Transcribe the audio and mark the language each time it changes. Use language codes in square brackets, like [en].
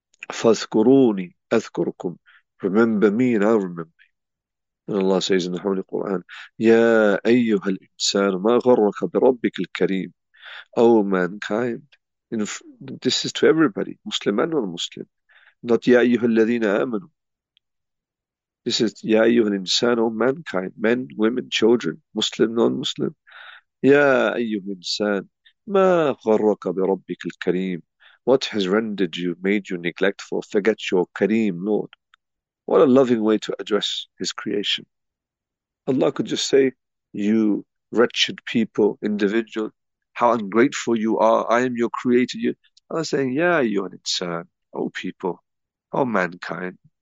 [ar] Fazkuruni. أذكركم. [en] Remember me and I'll remember you. And Allah says in the Holy Quran, [ar] Ya أيها الإنسان ما غرك بربك الكريم. [en] O mankind. This is to everybody, Muslim and non-Muslim. Not [ar] Ya أيها الذين آمنوا. [en] This is [ar] Ya أيها الإنسان, [en] O mankind. Men, women, children, Muslim, non-Muslim. [ar] Ya أيها الإنسان ما غرك بربك الكريم. [en] What has rendered you, made you neglectful, forget your Kareem, Lord? What a loving way to address His creation. Allah could just say, you wretched people, individual, how ungrateful you are, I am your creator. You Allah saying, yeah, you're an insan, oh people, oh mankind.